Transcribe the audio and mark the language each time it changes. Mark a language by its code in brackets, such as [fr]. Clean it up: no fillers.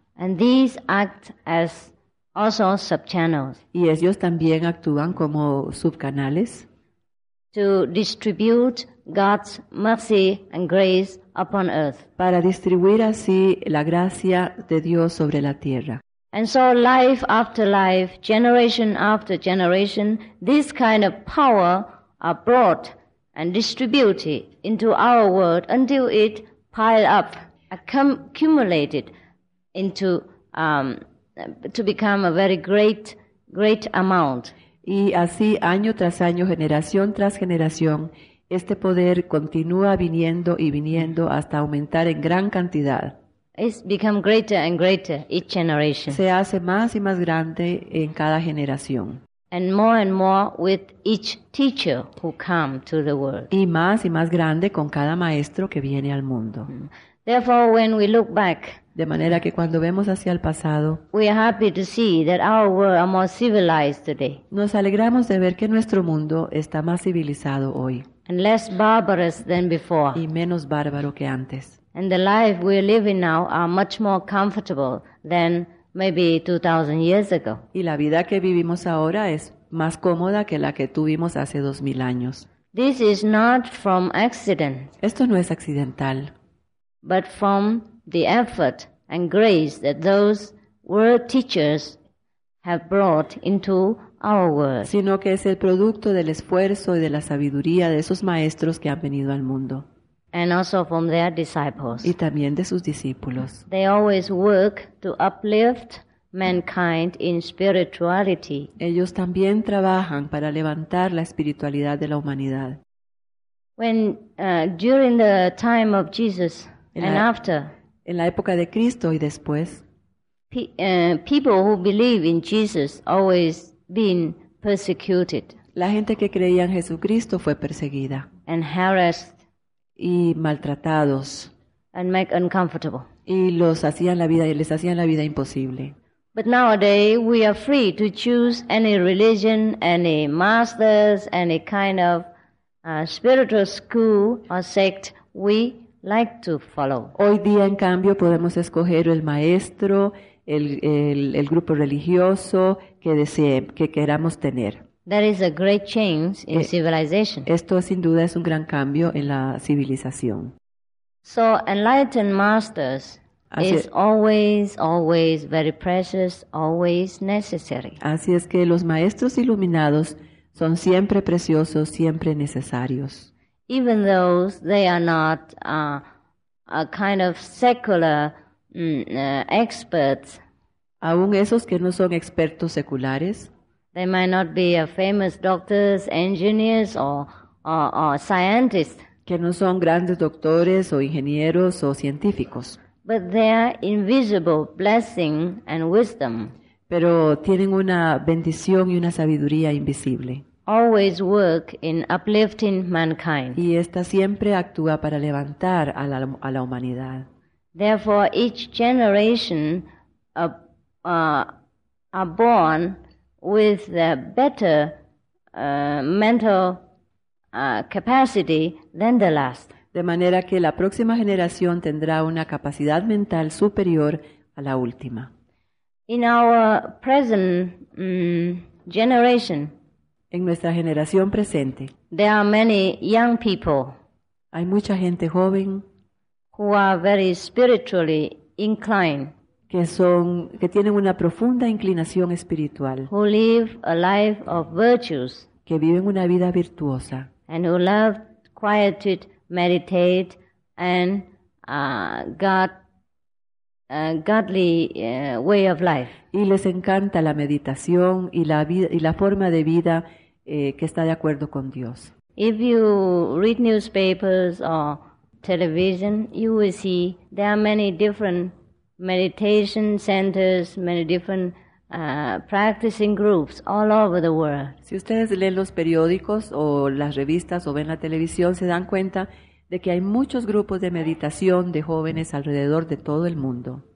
[en] And these act as also sub-channels. [es] Y ellos también actúan como subcanales. [en] To distribute God's mercy and grace upon earth. [es] Para distribuir así la gracia de Dios sobre la tierra. [en] And so life after life, generation after generation, this kind of power are brought and distributed into our world until it pile up, accumulated into to become a very great, great amount. [es] Y así, año tras año, generación tras generación, este poder continúa viniendo y viniendo hasta aumentar en gran cantidad. [en] It's become greater and greater each generation. [es] Se hace más y más grande en cada generación. [en] And more with each teacher who come to the world. [es] Y más grande con cada maestro que viene al mundo. [en] Therefore, when we look back, [es] de manera que cuando vemos hacia el pasado, [en] we are happy to see that our world is more civilized today. [es] Nos alegramos de ver que nuestro mundo está más civilizado hoy. [en] And less barbarous than before. [es] Y menos bárbaro que antes. [en] And the life we are living now are much more comfortable than maybe 2,000 years ago. [es] Y la vida que vivimos ahora es más cómoda que la que tuvimos hace 2,000 años. [en] This is not from accident. [es] Esto no es accidental. [en] But from the effort and grace that those world teachers have brought into our world. [es] Sino que es el producto del esfuerzo y de la sabiduría de esos maestros que han venido al mundo. [en] And also from their disciples. [es] Y también de sus discípulos. [en] They always work to uplift mankind in spirituality. [es] Ellos también trabajan para levantar la espiritualidad de la humanidad. [en] When during the time of Jesus and after, [es] en la época de Cristo y después, [en] people who believe in Jesus always been persecuted. [es] La gente que creía en Jesucristo fue perseguida. [en] And harassed. [es] Y maltratados. [en] And make uncomfortable. [es] Y los hacían la vida, les hacían la vida imposible. [en] But nowadays we are free to choose any religion, any masters, any kind of spiritual school or sect we like to follow. [es] Hoy día, en cambio, podemos escoger el maestro, el grupo religioso que desee, que queramos tener. [en] That is a great change in civilization. [es] Esto sin duda es un gran cambio en la civilización. [en] So enlightened masters is always very precious, always necessary. [es] Así es que los maestros iluminados son siempre preciosos, siempre necesarios. [en] Even though they are not a kind of secular experts. [es] Aún esos que no son expertos seculares. [en] They might not be a famous doctors, engineers, or scientists. [es] Que no son grandes doctores o ingenieros o científicos. [en] But their invisible blessing and wisdom. [es] Pero tienen una bendición y una sabiduría invisible. [en] Always work in uplifting mankind. [es] Y esta siempre actúa para levantar a la humanidad. [en] Therefore, each generation are born with a better mental capacity than the last. [es] De manera que la próxima generación tendrá una capacidad mental superior a la última. [en] In our present generation, [es] en nuestra generación presente, [en] there are many young people, [es] hay mucha gente joven, [en] who are very spiritually inclined, [es] que tienen una profunda inclinación espiritual, [en] who live a life of virtues, [es] que viven una vida virtuosa, [en] and who love quietude, meditate, and godly way of life. [es] Y les encanta la meditación y la vida y la forma de vida que está de acuerdo con Dios. [en] If you read newspapers or television, you will see there are many different meditation centers, many different practicing groups all over the world. [es] Si ustedes leen los periódicos o las revistas o ven la televisión, se dan cuenta de que hay muchos grupos de meditación de jóvenes alrededor de todo el mundo.